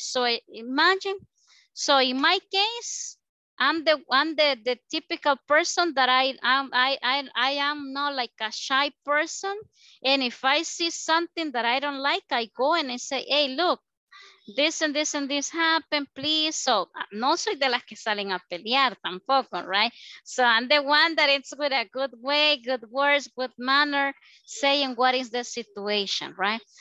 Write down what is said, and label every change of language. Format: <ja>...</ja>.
<en>So imagine, so in my case, I'm the typical person that I am not like a shy person. And if I see something that I don't like, I go and I say, hey, look, this and this and this happen, please.</en> <es>So no soy de las que salen a pelear tampoco, right?</es> <en>So I'm the one that it's with a good way, good words, good manner, saying what is the situation, right?</en>